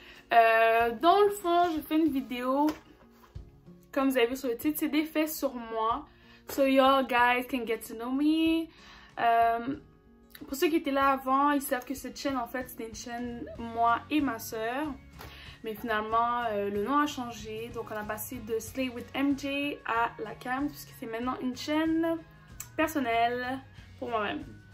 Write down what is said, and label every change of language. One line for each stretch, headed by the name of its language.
French: Dans le fond, je fais une vidéo comme vous avez vu sur le titre, c'est des faits sur moi.
English: So y'all guys can get to know me.
French: Pour ceux qui étaient là avant, ils savent que cette chaîne en fait, c'est une chaîne moi et ma sœur. Mais finalement, le nom a changé. Donc, on a passé de Slay with MJ à La Cam, puisque c'est maintenant une chaîne personnelle pour moi-même.